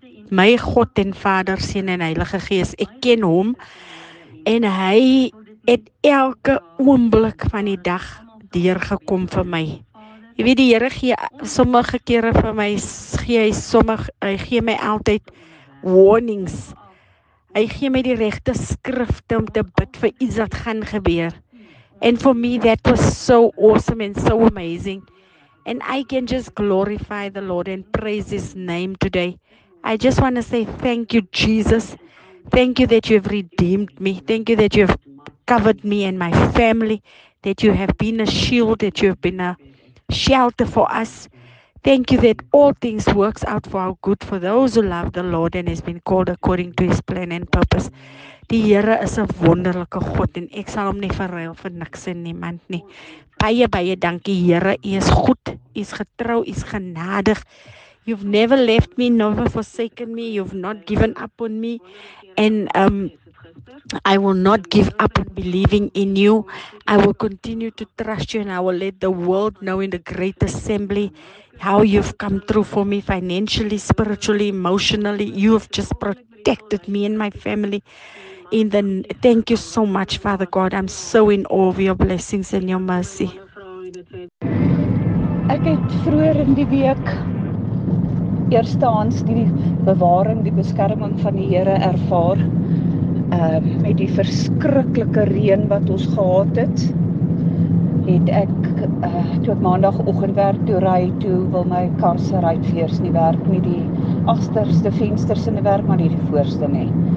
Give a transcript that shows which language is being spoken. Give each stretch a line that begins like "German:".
Afrikaans: My God en Vader, Seun en Heilige Gees, ek ken Hom en Hy het elke oomblik van die dag deurgekom vir my. Jy weet, die Here gee sommige kere vir my, hy gee my altyd warnings. Hy gee my die regte skrifte om te bid vir iets wat gaan gebeur.
English: And for me, that was so awesome and so amazing. And I can just glorify the Lord and praise His name today. I just want to say thank you, Jesus. Thank you that you have redeemed me. Thank you that you have covered me and my family, that you have been a shield, that you have been a shelter for us. Thank you that all things works out for our good for those who love the Lord and has been called according to His plan and purpose.
Afrikaans: Die Here is 'n wonderlike God en ek sal hom nie verruil vir niks en niemand nie. Baie dankie Here, U is goed, U is getrou, U is genadig.
English: You've never left me, never forsaken me, you've not given up on me. And I will not give up on believing in you. I will continue to trust you and I will let the world know in the great assembly how you've come through for me financially, spiritually, emotionally. You've just protected me and my family. Thank you so much, Father God. I'm so in awe of your blessings and your mercy.
Afrikaans: Ek het vroeër in die week eerstehands die bewaring, die beskerming van die Here ervaar. Met die verskriklike reën wat ons gehad het ek toe ek maandagoggend werk toe ry, toe wil my kar se ruitveers nie werk nie, die agterste vensters in die werk, maar nie die voorste nie.